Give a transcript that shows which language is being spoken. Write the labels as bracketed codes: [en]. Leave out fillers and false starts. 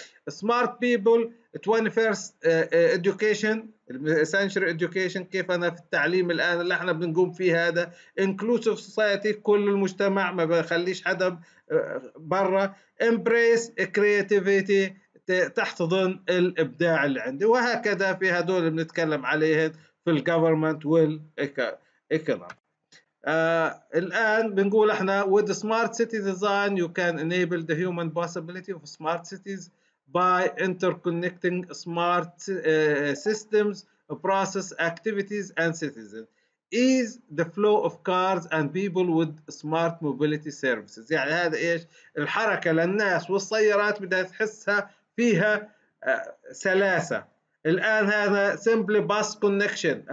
[ar] سمارت بيبل [en] 21st education essential education [ar] كيف أنا في التعليم الآن اللي احنا بنقوم فيه هذا، [en] inclusive society [ar] كل المجتمع ما بخليش حدا برا، [en] embrace creativity [ar] تحتضن الإبداع اللي عندي، وهكذا في هدول اللي بنتكلم عليهم في الgovernment والeconomy. الآن بنقول احنا [en] with smart city design you can enable the human possibility of smart cities by interconnecting smart systems, process, activities and citizens. Ease the flow of cars and people with smart mobility services. [ar] يعني هذا إيش؟ الحركة للناس والسيارات بدها تحسها فيها سلاسة. الآن هذا [en] simply bus connection.